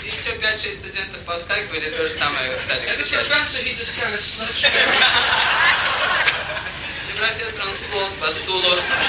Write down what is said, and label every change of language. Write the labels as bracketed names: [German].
[Russian] И еще 5-6 студентов по скайпу или то же самое стали. [English] And the professor, he just kind of slouched. [Russian] И профессор, он сполз по стулу.